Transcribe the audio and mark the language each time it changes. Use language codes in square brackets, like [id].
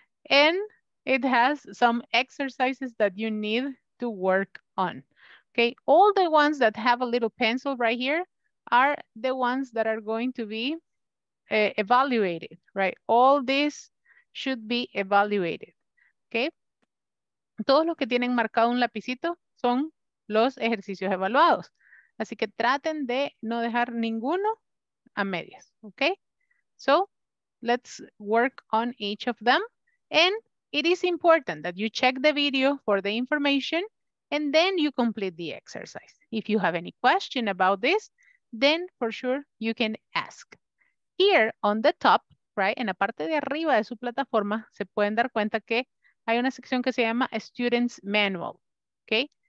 [en] And it has some exercises that you need to work on. Okay, all the ones that have a little pencil right here are the ones that are going to be evaluated, right? All this should be evaluated, okay? [es] Todos los que tienen marcado un lapicito son los ejercicios evaluados. Así que traten de no dejar ninguno a medias, okay? [en] So let's work on each of them. And it is important that you check the video for the information and then you complete the exercise. If you have any question about this, then for sure you can ask. Here on the top, right, [es] en la parte de arriba de su plataforma, se pueden dar cuenta que hay una sección que se llama Students Manual, okay?